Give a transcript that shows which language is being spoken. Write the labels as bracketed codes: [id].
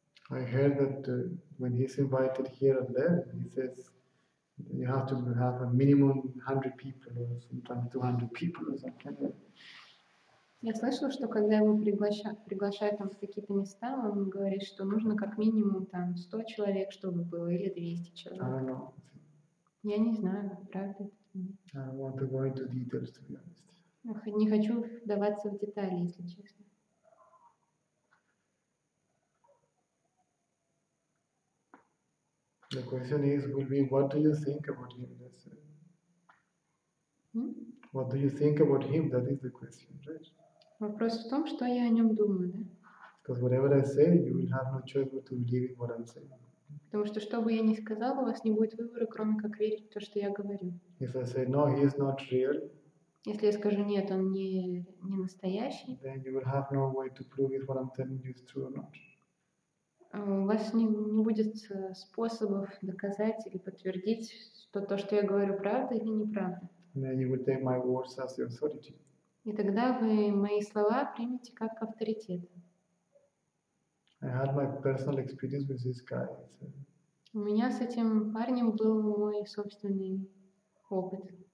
[en] I heard that when he's invited here and there, he says you have to have a minimum 100 people or sometimes 200 people or something. [ru] Я слышала, что когда его приглашают там в какие-то места, он говорит, что нужно как минимум там 100 человек, чтобы было, или 200 человек. [en] I don't know. [ru] Я не знаю, правда это. [en] I don't want to go into details, to be honest. [ru] Не хочу вдаваться в детали, если честно. [en] The question is, will be, what do you think about him? That's it. What do you think about him? That is the question, right? [ru] Вопрос в том, что я о нем думаю, да? [en] Because whatever I say, you will have no choice but to believe in what I'm saying. [ru] Потому что что бы я ни сказала, у вас не будет выбора, кроме как верить в то, что я говорю. [en] If I say no, he is not real. [ru] Если я скажу нет, он не настоящий. [en] Then you will have no way to prove if what I'm telling you is true or not. [ru] У вас не будет способов доказать или подтвердить, что то, что я говорю, правда или неправда. [en] And then you will take my words as the authority. [ru] И тогда вы мои слова примете как авторитет. [en] I had my personal experience with this guy. [ru] У меня с этим парнем был мой собственный опыт.